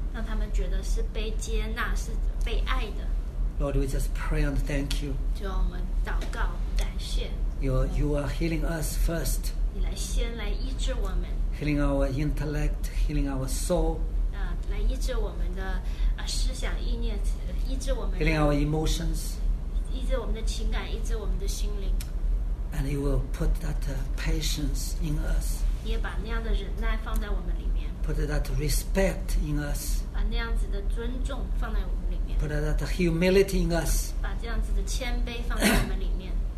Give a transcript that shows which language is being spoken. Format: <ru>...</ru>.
<zh>让他们觉得是被接纳，是被爱的。</zh> <en>Lord, we just pray and thank you.</en> <zh>就让我们祷告感谢。</zh> <en>You are healing us first.</en> <zh>你来先来医治我们。</zh> <en>Healing our intellect, healing our soul.</en> <zh>来医治我们的。思想意念医治我们</zh> <en>healing our emotions</en> <zh>医治我们的情感医治我们的心灵</zh> <en>and you will put that patience in us</en> <zh>你也把那样的忍耐放在我们里面</zh> <en>put that respect in us</en> <zh>把那样子的尊重放在我们里面</zh> <en>put that humility in us</en> <zh>把这样子的谦卑放在我们里面</zh>